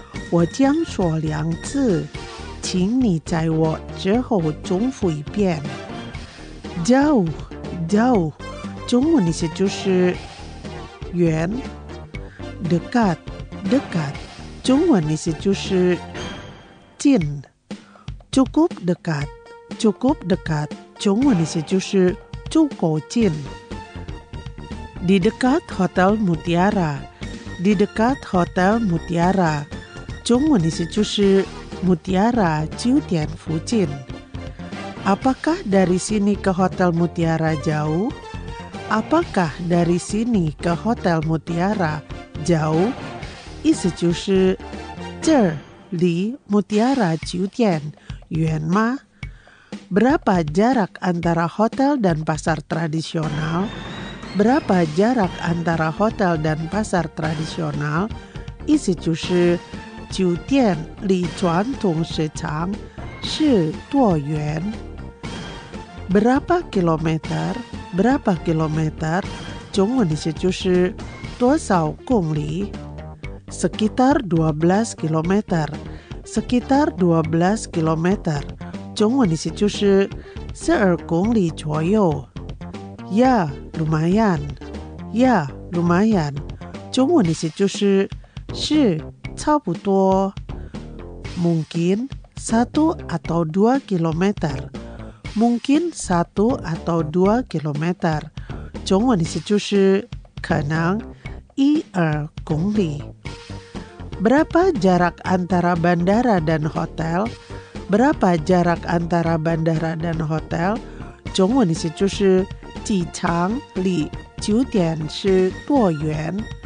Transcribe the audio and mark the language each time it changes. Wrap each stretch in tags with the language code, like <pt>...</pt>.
<zh>我将说两次，请你在我之后重复一遍。</zh> <id>jauh， jauh，</id> <zh>中文意思就是远。</zh> <id>Dekat, dekat,</id> <zh>中文意思就是近。</zh> <id>Cukup dekat, cukup dekat,</id> <zh>中文意思就是cukup近。</zh> <id>Di dekat Hotel Mutiara,</id> <zh>di dekat Hotel Mutiara, 中文意思就是Mutiara酒店附近。</zh> <id>Apakah dari sini ke Hotel Mutiara jauh? Apakah dari sini ke Hotel Mutiara? jauh，</id> <zh>意思就是这儿离 Mutiara 酒店远吗？</zh> <id>Berapa jarak antara hotel dan pasar tradisional？ Berapa jarak antara hotel dan pasar tradisional？</id> <zh>意思就是酒店离传统市场是多远？</zh> <id>Berapa kilometer？ Berapa kilometer？</id> <zh>中文意思就是多少公里？</zh> <id>Sekitar 12 kilometer. Sekitar 12 kilometer.</id> <zh>中文意思就是12公里左右。</zh> <id>Ya, lumayan. Ya, lumayan.</id> <zh>中文意思就是是差不多。</zh> <id>Mungkin 1 atau 2 kilometer. Mungkin 1 atau 2 kilometer.</id> <zh>中文意思就是可能一二公里。</zh> <id>Berapa jarak antara bandara dan hotel? Berapa jarak antara bandara dan hotel?</id> <zh>中文意思就是机场离酒店是多远？</zh>